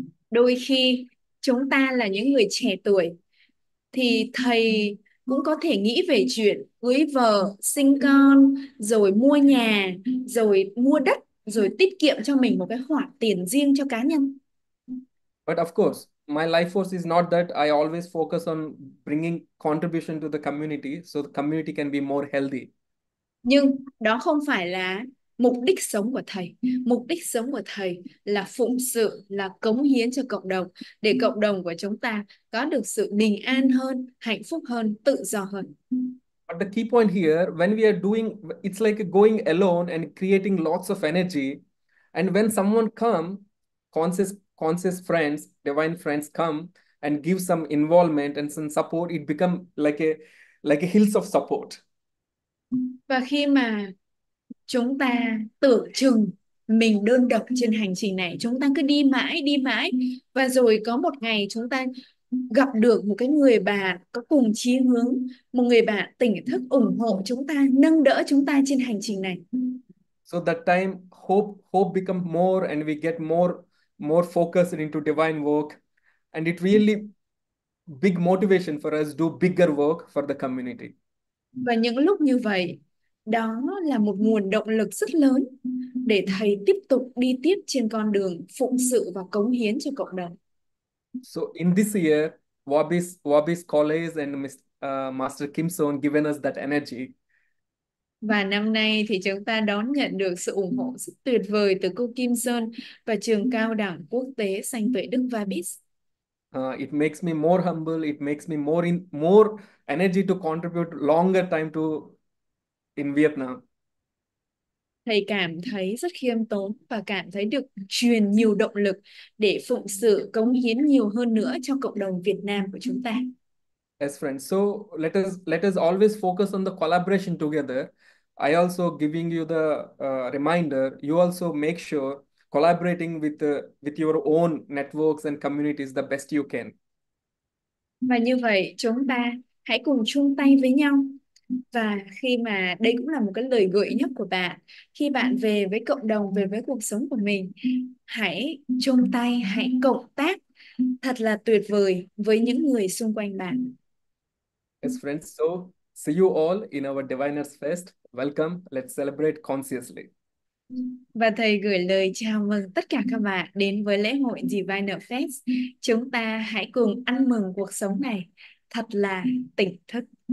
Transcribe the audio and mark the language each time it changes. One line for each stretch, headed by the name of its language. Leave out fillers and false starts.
Vietnamese: Đôi khi chúng ta là những người trẻ tuổi thì thầy cũng có thể nghĩ về chuyện cưới vợ, sinh con, rồi mua nhà, rồi mua đất, rồi tiết kiệm cho mình một cái khoản tiền riêng cho cá nhân.
English: But of course, my life force is not that I always focus on bringing contribution to the community so the community can be more healthy.
Vietnamese: Nhưng đó không phải là mục đích sống của thầy. Mục đích sống của thầy là phụng sự, là cống hiến cho cộng đồng, để cộng đồng của chúng ta có được sự bình an hơn, hạnh phúc hơn, tự do hơn.
English: But the key point here, when we are doing, it's like going alone and creating lots of energy. And when someone come, conscious friends, divine friends come and give some involvement and some support, it become like a hills of support.
Vietnamese: Và khi mà chúng ta tưởng chừng mình đơn độc trên hành trình này, chúng ta cứ đi mãi, và rồi có một ngày chúng ta gặp được một cái người bạn có cùng chí hướng, một người bạn tỉnh thức ủng hộ chúng ta, nâng đỡ chúng ta trên hành trình này.
English: So that time hope become more and we get more focused into divine work and it really big motivation for us do bigger work for the community.
Vietnamese: Và những lúc như vậy, đó là một nguồn động lực rất lớn để thầy tiếp tục đi tiếp trên con đường phụng sự và cống hiến cho cộng đồng.
English: So in this year, Wabis College and Master Kim Soon given us that energy.
Vietnamese: Và năm nay thì chúng ta đón nhận được sự ủng hộ rất tuyệt vời từ cô Kim Soon và trường cao đẳng quốc tế Sanh Tuệ Đức Wabis.
English: It makes me more humble. It makes me more energy to contribute longer time to in Vietnam.
Vietnamese: Thầy cảm thấy rất khiêm tốn và cảm thấy được truyền nhiều động lực để phụng sự, cống hiến nhiều hơn nữa cho cộng đồng Việt Nam của chúng ta.
English: Yes, friends. So let us always focus on the collaboration together. I also giving you the reminder. You also make sure. Collaborating with your own networks and communities the best you can.
Vietnamese: Và như vậy chúng ta hãy cùng chung tay với nhau. Và khi mà đây cũng là một cái lời gợi nhất của bạn, khi bạn về với cộng đồng, về với cuộc sống của mình, hãy chung tay, hãy cộng tác thật là tuyệt vời với những người xung quanh bạn.
English: Yes, friends, so see you all in our Diviners Fest. Welcome, let's celebrate consciously.
Vietnamese: Và thầy gửi lời chào mừng tất cả các bạn đến với lễ hội Diviner Fest. Chúng ta hãy cùng ăn mừng cuộc sống này thật là tỉnh thức.